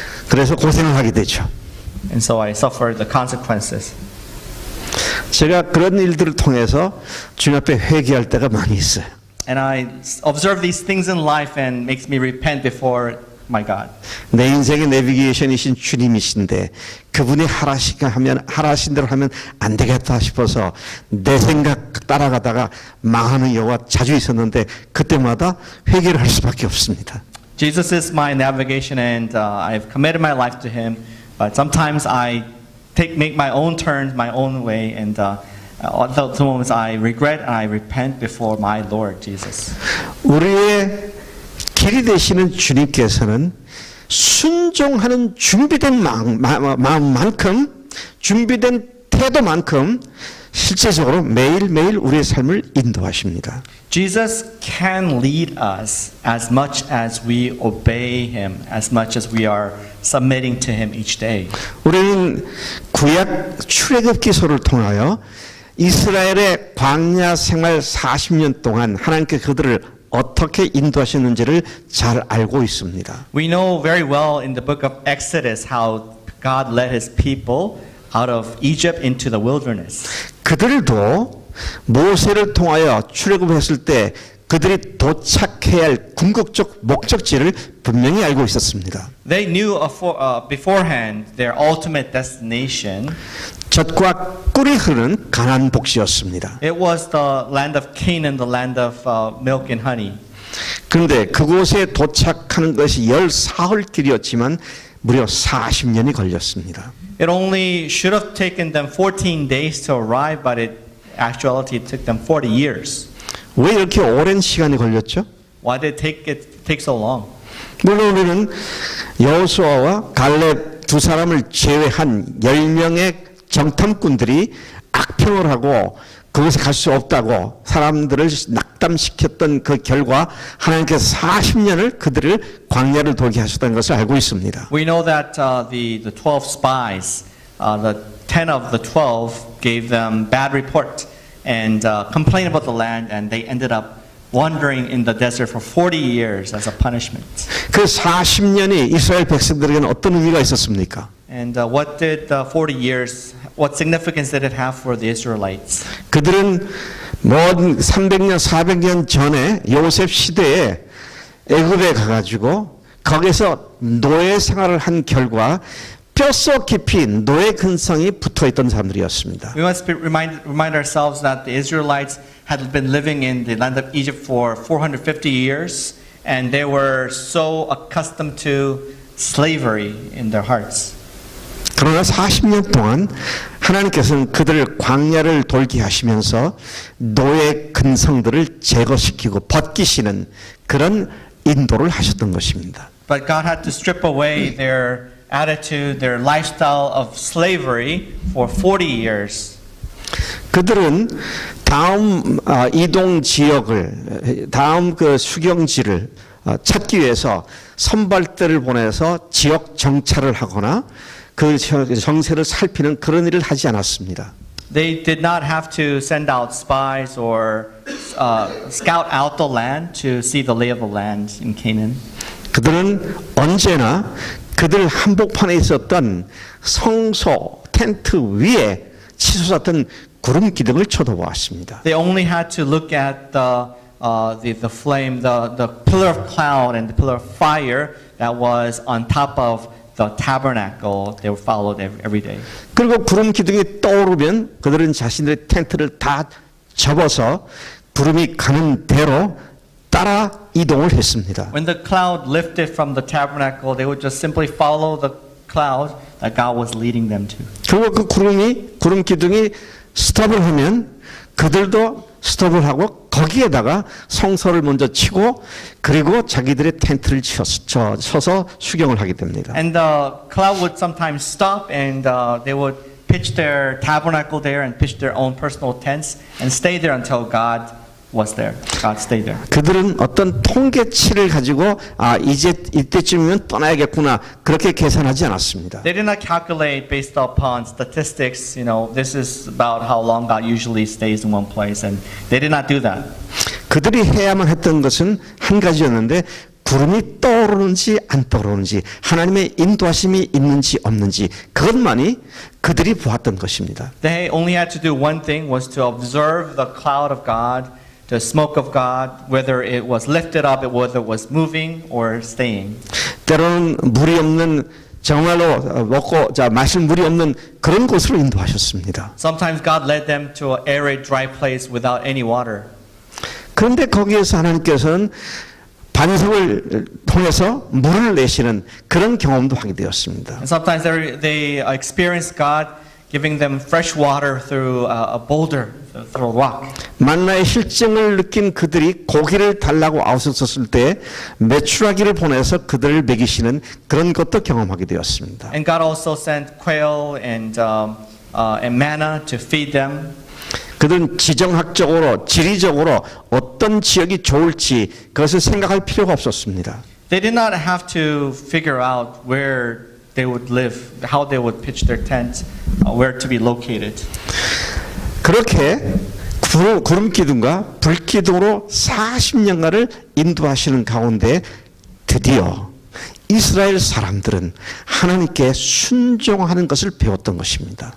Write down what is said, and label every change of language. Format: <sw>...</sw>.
<ko>그래서 고생을 하게 되죠.</ko> <en>And so I suffer the consequences.</en> <ko>제가 그런 일들을 통해서 주님 앞에 회개할 때가 많이 있어요.</ko> <en>And I observe these things in life and makes me repent before my God.</en> <ko>내 인생의 내비게이션이신 주님이신데 그분이 하라신 대로 하면 안 되겠다 싶어서 내 생각 따라가다가 망하는 경우가 자주 있었는데 그때마다 회개를 할 수밖에 없습니다.</ko> <en>Jesus is my navigation and I've committed my life to him, but sometimes I make my own turns, my own way, and at those moments I regret and I repent before my Lord Jesus.</en> <ko>우리의 길이 되시는 주님께서는 순종하는 준비된 마음만큼 준비된 태도만큼 실제적으로 매일매일 우리의 삶을 인도하십니다.</ko> <en>Jesus can lead us as much as we obey him, as much as we are submitting to him each day.</en> <ko>우리는 구약 출애굽기서를 통하여 이스라엘의 광야 생활 40년 동안 하나님께 그들을 어떻게 인도하셨는지를 잘 알고 있습니다.</ko> <en>We know very well in the book of Exodus how God led his people out of Egypt into the wilderness.</en> <ko>그들도 모세를 통하여 출애굽했을 때 그들이 도착해야 할 궁극적 목적지를 분명히 알고 있었습니다.</ko> <en>They knew beforehand their ultimate destination.</en> <ko>젖과 꿀이 흐르는 가나안 복지였습니다.</ko> <en>It was the land of Canaan, the land of milk and honey.</en> <ko>그런데 그곳에 도착하는 것이 열 사흘 길이었지만 무려 40년이 걸렸습니다.</ko> <en>It only should have taken them 14 days to arrive, but in actuality it took them 40 years.</en> <ko>왜 이렇게 오랜 시간이 걸렸죠?</ko> <en>Why did it take so long?</en> <ko>물론 우리는 여호수아와 갈렙 두 사람을 제외한 10명의 정탐꾼들이 악평을 하고 그곳에 갈 수 없다고 사람들을 낙담시켰던 그 결과 하나님께서 40년을 그들을 광야를 돌게 하셨다는 것을 알고 있습니다.</ko> <en>We know that the 12 spies, the 10 of the 12 gave them bad report and complained about the land and they ended up wandering in the desert for 40 years as a punishment.</en> <ko>그 40년이 이스라엘 백성들에게는 어떤 의미가 있었습니까?</ko> <en>And what did the 40 years, what significance did it have for the Israelites?</en> <ko>그들은 뭐든 300년, 400년 전에 요셉 시대에 애굽에 가가지고 거기서 노예 생활을 한 결과 뼛속 깊이 노예 근성이 붙어있던 사람들이었습니다.</ko> <en>We must remind ourselves that the Israelites had been living in the land of Egypt for 450 years and they were so accustomed to slavery in their hearts.</en> <ko>그러나 40년 동안 하나님께서는 그들을 광야를 돌게 하시면서 노예 근성들을 제거시키고 벗기시는 그런 인도를 하셨던 것입니다.</ko> <en>But God had to strip away their attitude, their lifestyle of slavery for 40 years.</en> <ko>그들은 다음 이동 지역을, 다음 그 수경지를 찾기 위해서 선발대를 보내서 지역 정찰을 하거나 그 정세를 살피는 그런 일을 하지 않았습니다.</ko> <en>They did not have to send out spies or scout out the land to see the lay of the land in Canaan.</en> <ko>그들은 언제나 그들 한복판에 있었던 성소 텐트 위에 치솟았던 구름 기둥을 쳐다보았습니다.</ko> <en>They only had to look at the flame, the pillar of cloud and the pillar of fire that was on top of the tabernacle they were followed every day.</en> <ko>그리고 구름 기둥이 떠오르면 그들은 자신들의 텐트를 다 접어서 구름이 가는 대로 따라 이동을 했습니다.</ko> <en>When the cloud lifted from the tabernacle, they would just simply follow the cloud that God was leading them to.</en> <ko>결국 그 구름이 구름 기둥이 스톱을 하면 그들도 스톱을 하고 거기에다가 성서를 먼저 치고 그리고 자기들의 텐트를 쳐서 수경을 하게 됩니다.</ko> <en>And the cloud would sometimes stop and they would pitch their tabernacle there and pitch their own personal tents and stay there until God was there. God stayed there.</en> <ko>그들은 어떤 통계치를 가지고 아 이제 이때쯤이면 떠나야겠구나 그렇게 계산하지 않았습니다.</ko> <en>They did not calculate based upon statistics. You know, this is about how long God usually stays in one place, and they did not do that.</en> <ko>그들이 해야만 했던 것은 한 가지였는데 구름이 떠오르는지 안 떠오르는지 하나님의 인도하심이 있는지 없는지 그것만이 그들이 보았던 것입니다.</ko> <en>They only had to do one thing, was to observe the cloud of God. The smoke of God, whether it was lifted up, whether it was moving or staying.</en> <ko>때로는 물이 없는 정말로 먹고 자 마실 물이 없는 그런 곳으로 인도하셨습니다.</ko> <en>Sometimes God led them to an arid, dry place without any water.</en> <ko>그런데 거기에서 하나님께서는 반석을 통해서 물을 내시는 그런 경험도 하게 되었습니다.</ko> <en>And sometimes they experienced God giving them fresh water through a boulder.</en> <ko>만나의 실증을 느낀 그들이 고기를 달라고 아우셨을 때 메추라기를 보내서 그들을 먹이시는 그런 것도 경험하게 되었습니다.</ko> <en>And God also sent quail and manna to feed them.</en> <ko>그들은 지정학적으로 지리적으로 어떤 지역이 좋을지 그것을 생각할 필요가 없었습니다.</ko> <en>They did not have to figure out where they would live, how they would pitch their tent, where to be located.</en> <ko>그렇게 구름 기둥과 불 기둥으로 40년간을 인도하시는 가운데 드디어 이스라엘 사람들은 하나님께 순종하는 것을 배웠던 것입니다.</ko>